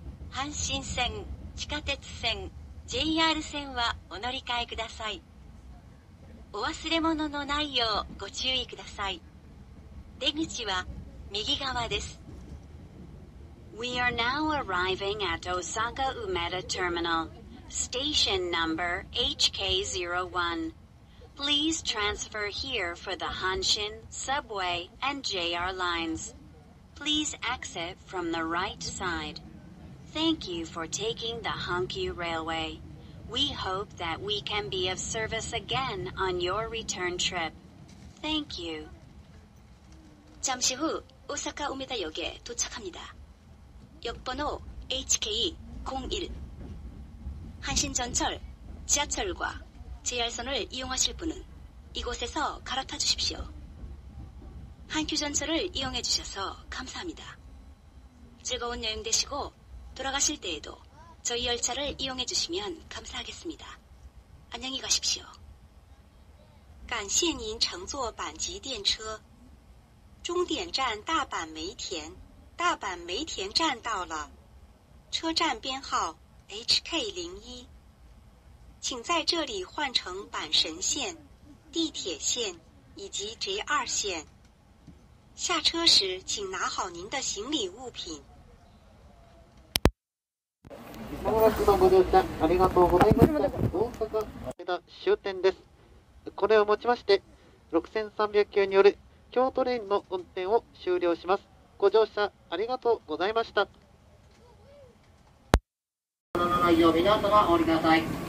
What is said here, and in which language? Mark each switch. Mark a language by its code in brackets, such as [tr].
[ja] 阪神線、地下鉄線、JR 線はお乗り換えください。お忘れ物のないようご注意ください。出口は右側です。 [en] We are now arriving at Osaka Umeda Terminal, station number HK01. Please transfer here for the Hanshin, Subway, and JR lines. Please exit from the right side. Thank you for taking the Hankyu Railway. We hope that we can be of service again on your return trip. Thank you. [ko] 잠시 후 大阪梅田역에도착합니다。 역번호 HK01。阪神전철、지하철과 JR 선을이용하실분은이곳에서갈아타주십시오。阪急전철을이용해주셔서감사합니다。 즐거운여행되시고돌아가실때에도저희열차를이용해주시면감사하겠습니다。 안녕히가십시오。 [zh] 感谢您乘坐阪急电车。终点站大阪梅田，大阪梅田站到了，车站编号 HK01， 请在这里换乘阪神线、地铁线以及 JR 线。下车时请拿好您的行李物品。 [ja] ありがとうございました。大阪終点です。これをもちまして6300系による京都レインの運転を終了します。ご乗車ありがとうございました。この内容を皆様お降りください。